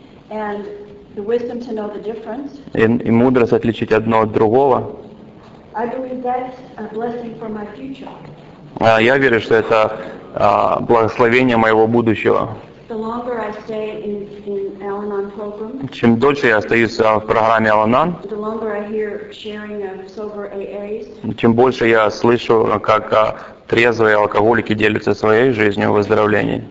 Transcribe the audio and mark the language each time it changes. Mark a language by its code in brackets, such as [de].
[en] And the wisdom to know the difference. [ru] И мудрость отличить одно от другого. [en] I believe that's a blessing for my future. [ru] Я верю, что это благословение моего будущего. [en] The longer I stay in Al-Anon program, [ru] чем дольше я остаюсь в программе Al-Anon, [en] the longer I hear sharing of sober AAs, [ru] чем больше я слышу, как трезвые алкоголики делятся своей жизнью в выздоровлении,